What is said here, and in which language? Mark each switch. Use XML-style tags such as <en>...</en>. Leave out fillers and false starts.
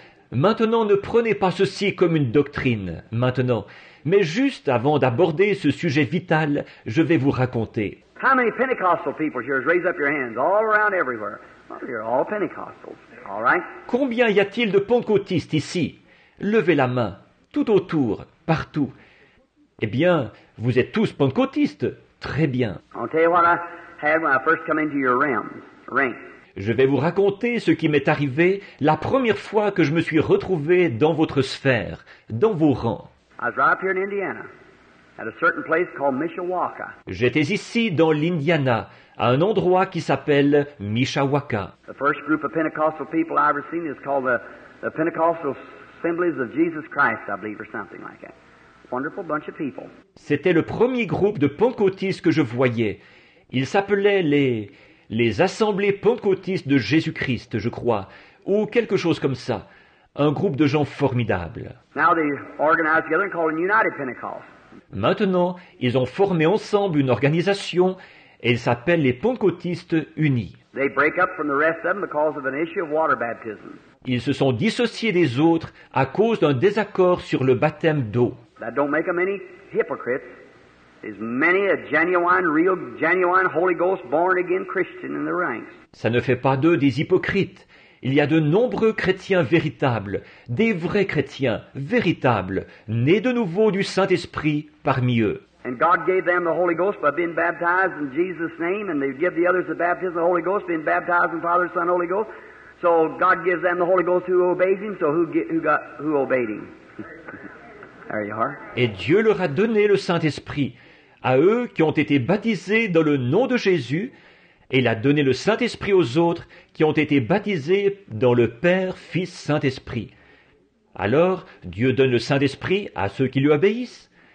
<fr>Maintenant, ne prenez pas ceci comme une doctrine, maintenant. Mais juste avant d'aborder ce sujet vital, je vais vous raconter.</fr> <en>How many Pentecostal people here? Raise up your hands. All around, everywhere. Well, you're all Pentecostals. All right?</en> <fr>Combien y a-t-il de pentecôtistes ici? Levez la main. Tout autour, partout. Eh bien, vous êtes tous pentecôtistes. Très bien.</fr> <en>I'll tell you what I had when I first come into your ranks.</en> <fr>Je vais vous raconter ce qui m'est arrivé la première fois que je me suis retrouvé dans votre sphère, dans vos rangs.</fr> <en>I was right up here in Indiana, at a certain place called Mishawaka.</en> <fr>J'étais ici dans l'Indiana, à un endroit qui s'appelle Mishawaka.</fr> <en>The first group of Pentecostal people I ever seen is called the Pentecostal Assemblies of Jesus Christ, I believe, or something like that. Wonderful bunch of people.</en> <fr>C'était le premier groupe de pentecôtistes que je voyais. Il s'appelait les Assemblées Pentecôtistes de Jésus-Christ, je crois, ou quelque chose comme ça. Un groupe de gens formidables.</fr> <en>Now they organize together and call it United Pentecost.</en> <fr>Maintenant, ils ont formé ensemble une organisation et ils s'appellent les Pentecôtistes Unis.</fr> <en>They break up from the rest of them because of an issue of water baptism.</en> <fr>Ils se sont dissociés des autres à cause d'un désaccord sur le baptême d'eau.</fr> <en>That don't make them any hypocrites. There's many a genuine, real, genuine Holy Ghost born again Christian in the ranks.</en> <fr>Ça ne fait pas d'eux des hypocrites. Il y a de nombreux chrétiens véritables, des vrais chrétiens, véritables, nés de nouveau du Saint-Esprit parmi eux.</fr> <en>And God gave them the Holy Ghost by being baptized in Jesus' name, and they give the others the baptism of the Holy Ghost, being baptized in Father, Son, Holy Ghost. So God gives them the Holy Ghost who obeys Him, so who obeyed Him? There you are.</en> <fr>Et Dieu leur a donné le Saint-Esprit à eux qui ont été baptisés dans le nom de Jésus, et il a donné le Saint-Esprit aux autres qui ont été baptisés dans le Père, Fils, Saint-Esprit. Alors, Dieu donne le Saint-Esprit à ceux qui lui obéissent.</fr>